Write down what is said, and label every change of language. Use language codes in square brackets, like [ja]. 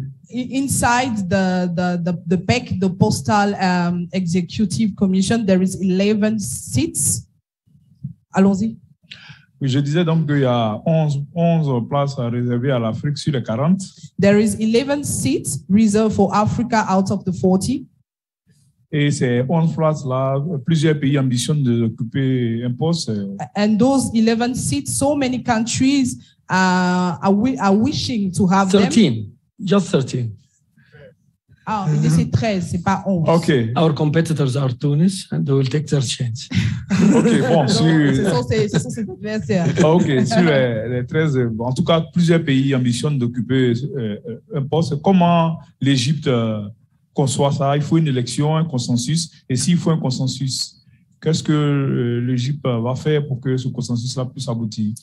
[en] Inside the PEC, the Postal Executive Commission, there is 11 seats. [fr] Allons-y. Oui, je disais donc qu'il y a 11 places réservées à l'Afrique sur les 40. [en] There is 11 seats reserved for Africa out of the 40. [fr] Et ces 11 places-là, plusieurs pays ambitionnent d'occuper un poste. [en] And those 11 seats, so many countries are wishing to have 13. Them. 13. Just 13. [fr] Ah, oh, il dit 13, c'est pas 11. OK. [en] Our competitors are Tunis and they will take their chance. [fr] OK, bon, sur... C'est ça, OK, sur les 13, en tout cas, plusieurs pays ambitionnent d'occuper un poste. Comment l'Égypte conçoit ça? Il faut une élection, un consensus. Et s'il faut un consensus, qu'est-ce que l'Égypte va faire pour que ce consensus-là puisse aboutir?